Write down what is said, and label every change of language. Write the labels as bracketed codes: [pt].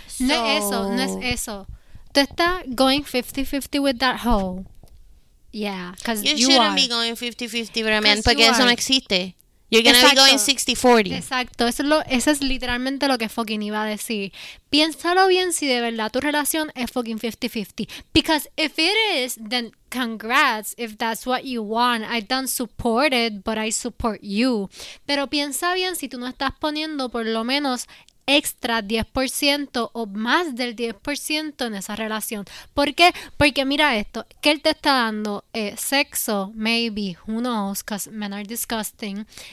[es] No es eso, no es eso. Tú estás going 50-50 with that hoe. Yeah, because you [en] shouldn't are. Be going 50-50 with a man, porque eso no existe. You're gonna [es] Exacto. [en] be going 60-40. [es] Exacto, eso es literalmente lo que fucking iba a decir. Piénsalo bien si de verdad tu relación es fucking 50-50. [en] Because if it is, then congrats, if that's what you want. I don't support it, but I support you. [es] Pero piensa bien si tú no estás poniendo por lo menos... extra 10% o más del 10% en esa relación. ¿Por qué? Porque mira esto, que él te está dando sexo, maybe, who knows, because men are disgusting.